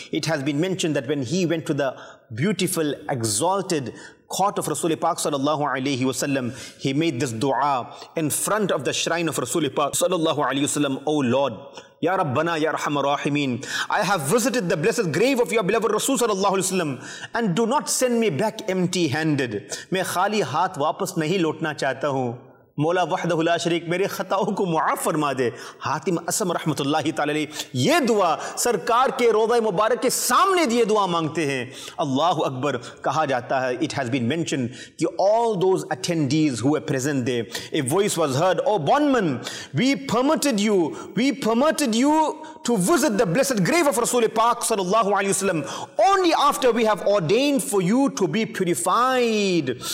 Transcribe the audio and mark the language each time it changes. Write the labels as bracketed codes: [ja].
[en] It has been mentioned that when he went to the beautiful, exalted court of Rasulullah Pak sallallahu alayhi wasallam, he made this dua in front of the shrine of Rasulullah Pak sallallahu alayhi wasallam. O Lord, Ya Rabbana Ya Rahman Rahimin, I have visited the blessed grave of your beloved Rasul sallallahu alayhi wasallam, and do not send me back empty handed. [ur] Main khali haath wapas nahi lotna chahta hoon. مولا وحدہ لا شریک میرے خطاؤں کو معاف فرما دے. حاتم اسم رحمت اللہ تعالی علیہ یہ دعا سرکار کے روضہ مبارک کے سامنے دیے دعا مانگتے ہیں. اللہ اکبر. کہا جاتا ہے, [en] it has been mentioned, کہ all those attendees who were present there, a voice was heard, O bondman, we permitted you to visit the blessed grave of Rasul Pak sallallahu alaihi wasallam only after we have ordained for you to be purified.